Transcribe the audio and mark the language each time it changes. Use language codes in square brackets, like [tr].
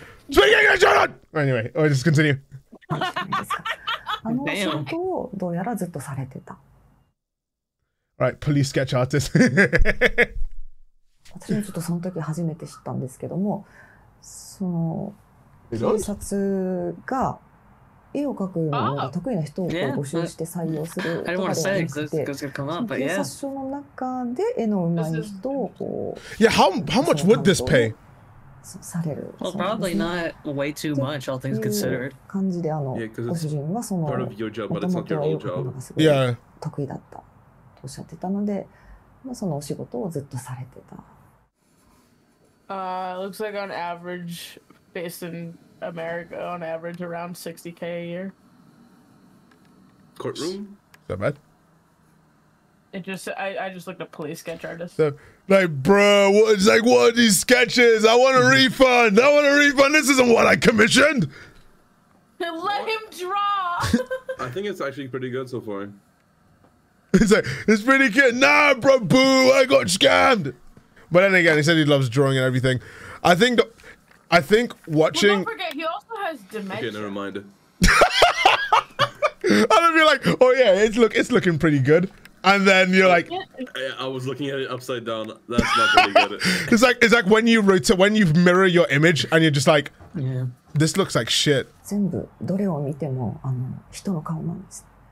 [en] Speak English, Jordan! Anyway, I'll just continue. Alright, police sketch artist. I just saw that at the first time, but the police [ja] が絵を描くのが得意な人を募集して採用するとかではなくて、警察署の中で絵の上手い人をこう、 [en] yeah, how much would this pay? [ja] される。 [en] Well, probably not way too much, all things considered. [ja] 感じで、ご主人はその、もともとは絵を描くのがすごい得意だったとおっしゃってたので、まあ、そのお仕事をずっとされてた。 [en] Looks like on average, based in... America on average around 60k a year. Courtroom? Is that bad? It just, I just looked up police sketch artists. Like, bro, it's like, what are these sketches? I want a refund. I want a refund. This isn't what I commissioned. Let him draw. I think it's actually pretty good so far. It's like, it's pretty good. Nah, bro, boo. I got scammed. But then again, he said he loves drawing and everything. I think watching. Well, don't forget, he also has dementia. Okay, never mind. I'm gonna be like, oh yeah, it's looking pretty good. And then you're like, I was looking at it upside down. That's not really good. It's like when you rotate, when you mirror your image, and you're just like, this looks like shit. [ja] 全部どれを見てもあの人の顔なんです。